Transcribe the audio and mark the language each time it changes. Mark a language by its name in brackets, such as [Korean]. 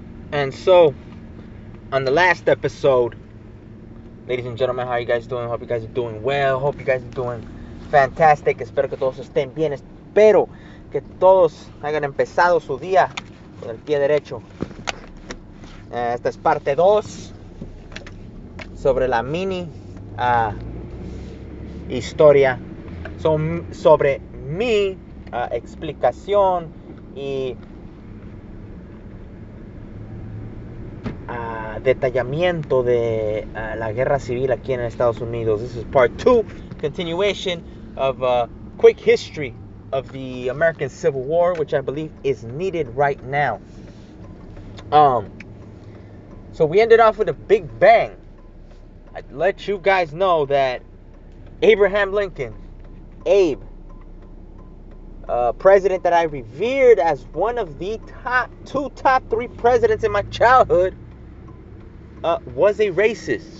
[English] And so, on the last episode, ladies and gentlemen, how are you guys doing? Hope you guys are doing well. Hope you guys are doing fantastic. [Spanish] Espero que todos estén bien. Espero que todos hayan empezado su día con el pie derecho. Esta es parte 2 sobre la mini historia sobre mi explicación y detallamiento de la guerra civil aquí en Estados Unidos. [English] This is part 2, continuation of a quick history of the American Civil War, which I believe is needed right now. So we ended off with a big bang. I'd let you guys know that Abraham Lincoln, Abe, a president that I revered as one of the top three presidents in my childhood, was a racist.